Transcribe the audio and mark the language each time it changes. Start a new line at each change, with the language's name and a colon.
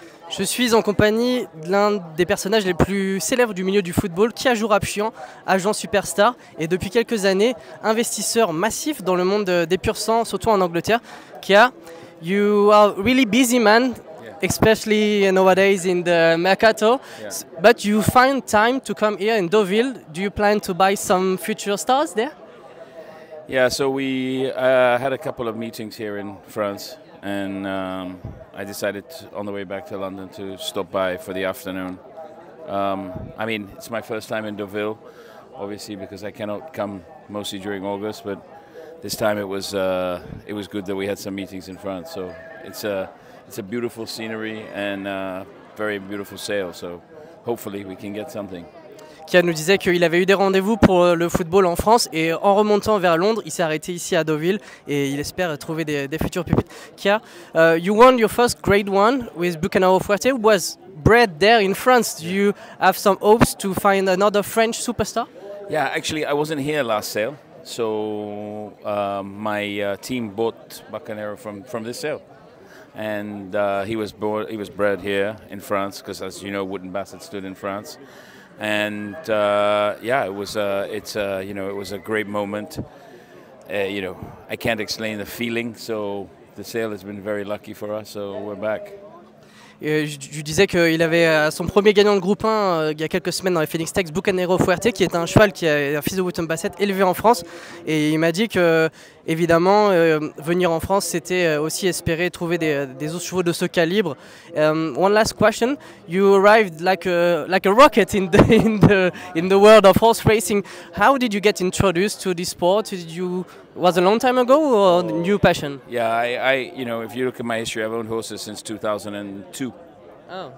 French: Je suis en compagnie de l'un des personnages les plus célèbres du milieu du football, qui est Joorabchian, agent superstar et depuis quelques années investisseur massif dans le monde des pur sang, surtout en Angleterre.
English: Kia, you are really busy man, especially nowadays in the mercato. Yeah. But you find time to come here in Deauville. Do you plan to buy some future stars there? Yeah, so we had a couple of meetings here in France, and I decided on the way back to London to stop by for the afternoon. I mean, it's my first time in Deauville, obviously, because I cannot come mostly during August, but this time it was good that we had some meetings in France. So it's a beautiful scenery and a very beautiful sale, so hopefully we can get something.
French: Kia nous disait qu'il avait eu des rendez-vous pour le football en France et en remontant vers Londres, il s'est arrêté ici à Deauville et il espère trouver des futurs pupilles.
English: Kia, you won your first grade one with Bucanao Fuerte, was bred there in France. Do you have some hopes to find another French superstar? Yeah, actually I wasn't here last sale, so my team bought Bucanero from this sale. And he was bred here in France, because as you know, Wooden Bassett stood in France. And it was a great moment. I can't explain the feeling. So the sale has been very lucky for us. So we're back.
French: Je disais qu'il avait son premier gagnant de groupe 1 il y a quelques semaines dans les Phoenix Tex, Bucanero Fuerte, qui est un cheval qui est un fils de Wooten Bassett élevé en France. Et il m'a dit que, évidemment, venir en France, c'était aussi espérer trouver des autres chevaux de ce calibre.
English: One last question. You arrived like a rocket in the world of horse racing. How did you get introduced to this sport? Was a long time ago or new passion? Yeah, I if you look at my history, I've owned horses since 2002. Oh.